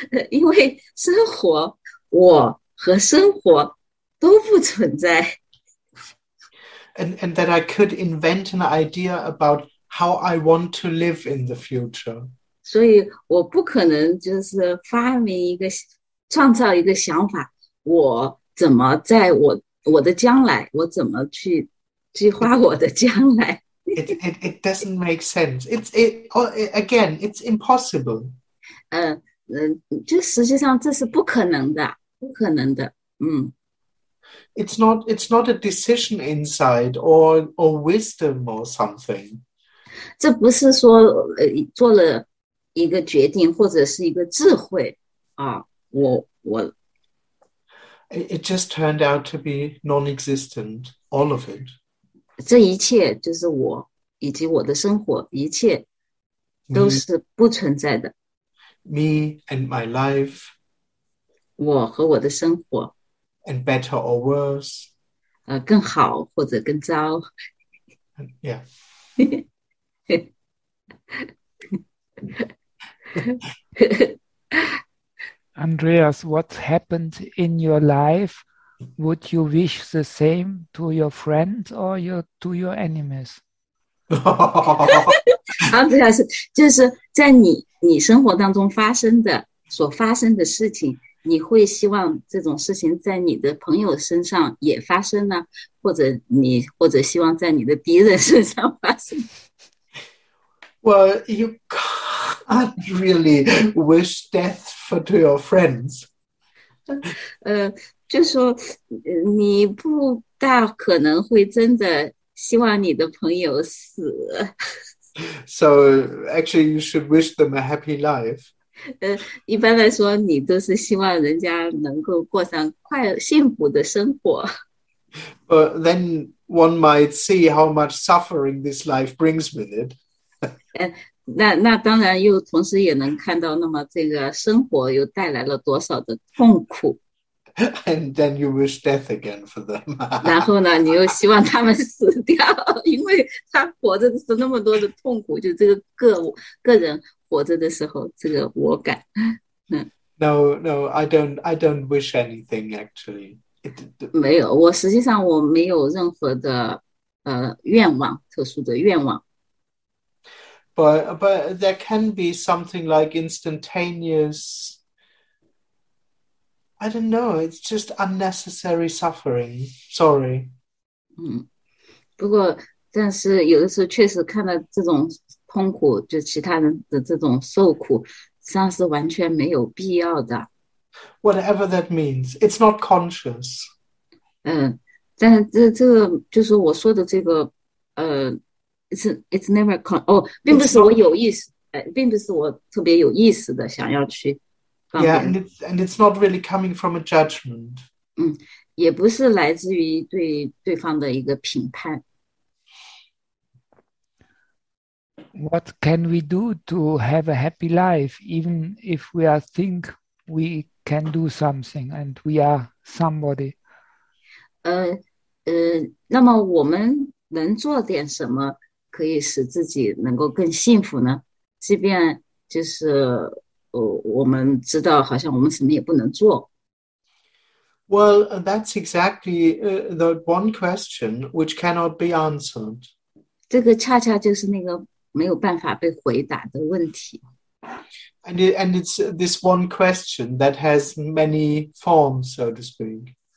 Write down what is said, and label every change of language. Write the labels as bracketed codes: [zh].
[zh] 因为生活，我和生活都不存在。 [en] And that I could invent an idea about how I want to live in the future. [zh] 所以我不可能就是发明一个创造一个想法，我怎么在我的将来，我怎么去计划我的将来？ [en] It doesn't make sense. It's impossible. [zh] 就实际上这是不可能的，不可能的。 [en] It's not a decision inside or wisdom or something. [zh] 这不是说做了一个决定或者是一个智慧啊，我。 [en] It just turned out to be non-existent, all of it. [zh] 这一切就是我以及我的生活，一切都是不存在的。 [en] Me and my life. [zh] 我和我的生活。 [en] And better or worse. [zh] 更好或者更糟。 [en] Yeah. Andreas, what happened in your life? Would you wish the same to your friend or to your enemies? [zh] 啊，对啊，就是在你生活当中发生的所发生的事情，你会希望这种事情在你的朋友身上也发生呢，或者希望在你的敌人身上发生？ [en] Well, you can't really wish death to your friends. [zh] 就说你不大可能会真的希望你的朋友死。 [en] So actually, you should wish them a happy life. [zh] 一般来说，你都是希望人家能够过上快幸福的生活。 [en] But then one might see how much suffering this life brings with it. [zh] 那当然，又同时也能看到，那么这个生活又带来了多少的痛苦。 [en] And then you wish death again for them. [zh] 然后呢，你又希望他们死掉，因为他活着是那么多的痛苦，就这个个人活着的时候，这个我感。 [en] No, I don't wish anything actually. [zh] 没有，我实际上我没有任何的愿望，特殊的愿望。 [en] But there can be something like instantaneous. I don't know, it's just unnecessary suffering. Sorry. [zh] 不过但是有的时候确实看到这种痛苦，就其他人的这种受苦，像是完全没有必要的。 [en] Whatever that means, it's not conscious. [zh] 但这个就是我说的这个 [en] it's never conscious. [zh] 并不是我有意思 not... 并不是我特别有意思的想要去。 [en] Yeah, and it's not really coming from a judgment. [zh] 也不是来自于对方的一个评判。 [en] What can we do to have a happy life, even if we are think we can do something and we are somebody? [zh] 那么我们能做点什么可以使自己能够更幸福呢？即便就是。我们知道好像我们什么也不能做。 [en] Well, that's exactly the one question which cannot be answered. [zh] 这个恰恰就是那个没有办法被回答的问题。 [en] And it's this one question that has many forms, so to speak.